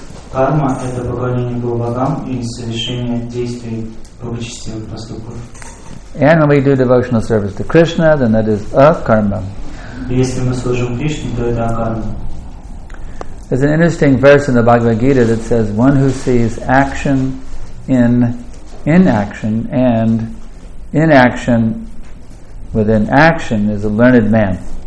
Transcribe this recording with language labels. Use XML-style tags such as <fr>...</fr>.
<ru>Karma – это поклонение богам и совершение действий благочестивых поступков.</ru> <en>And when we do devotional service to Krishna, then that is akarma.</en> <ru>Если мы служим Кришне, то это акарма.</ru> <en>There's an interesting verse in the Bhagavad Gita that says, one who sees action in inaction and inaction within action is a learned man.</en>